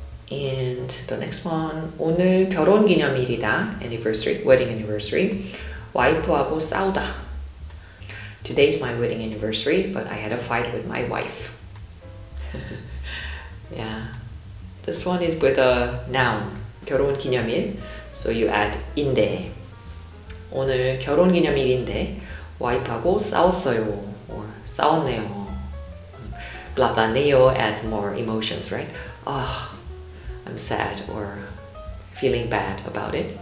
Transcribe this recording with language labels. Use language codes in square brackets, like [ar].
[en] And the next one, [ko] 오늘 결혼 기념일이다, [en] anniversary, wedding anniversary. [ko] 와이프하고 싸우다. [en] Today's my wedding anniversary, but I had a fight with my wife. Yeah, this one is with a noun, 결혼 기념일. So you add 인데. [ko] 오늘 결혼 기념일인데 와이프하고 싸웠어요 or 싸웠네요. [en] Blah blah 네요 adds more emotions, right? Ah, I'm sad or feeling bad about it.